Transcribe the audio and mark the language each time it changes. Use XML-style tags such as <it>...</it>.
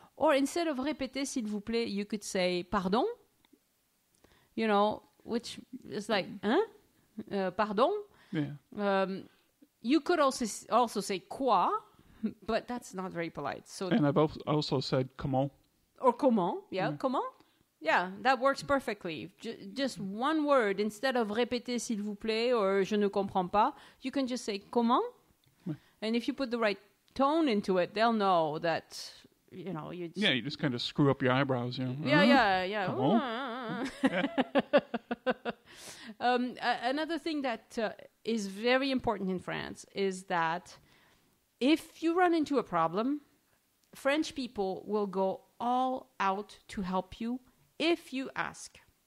<en>Or instead of</en> <fr>répéter, s'il vous plaît,</fr> <en>you could say pardon, you know, which is like,</en> <fr>hein? Pardon? Yeah.</fr> <en>You could also say quoi, but that's not very polite. So. And I've also said comment. Or comment, yeah, comment? Yeah, that works perfectly. Just one word, instead of</en> <fr>répéter, s'il vous plaît,</fr> <en>or</en> <fr>je ne comprends pas,</fr> <en>you can just say comment. Ouais. And if you put the right tone into it, they'll know that. You know, you just kind of screw up your eyebrows, you know. Yeah. Come on. Yeah. Another thing that is very important in France is that if you run into a problem, French people will go all out to help you if you ask.</en>